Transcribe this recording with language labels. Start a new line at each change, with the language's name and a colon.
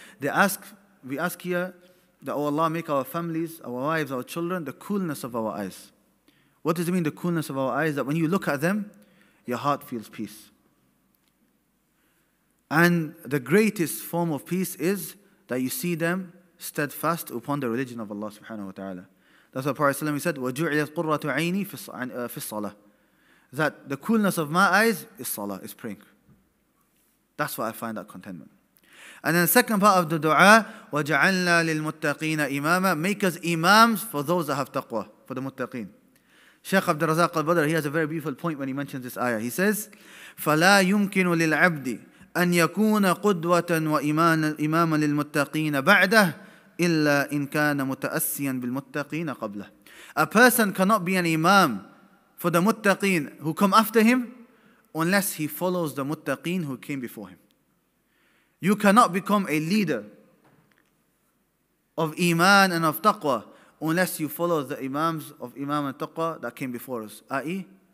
English: We ask here that, oh Allah, make our families, our wives, our children, the coolness of our eyes. What does it mean, the coolness of our eyes? That when you look at them, your heart feels peace. And the greatest form of peace is that you see them steadfast upon the religion of Allah subhanahu wa ta'ala. That's what Prophet ﷺ said,
Arabic: وَجُعِيَتْ قُرَّةُ عَيْنِي فِي الصَّلَةِ.
English: That the coolness of my eyes is salah, is praying. That's why I find that contentment. And then the second part of the dua,
Arabic: وَجَعَلْنَا لِلْمُتَّقِينَ إِمَامًا.
English: Make us imams for those that have taqwa, for the muttaqeen. Sheikh Abdul Razak al-Badr, he has a very beautiful point when he mentions this ayah. He says,
Arabic: فَلَا يُمْكِنُ لِلْعَبْدِ أن يكون قدوة وإمام إمام للمتقين بعده إلا إن كان متأسيا بالمتقين قبله.
English: A person cannot be an imam for the muttaqeen who come after him unless he follows the muttaqeen who came before him. You cannot become a leader of iman and of taqwa unless you follow the imams of iman and taqwa that came before us, i.e.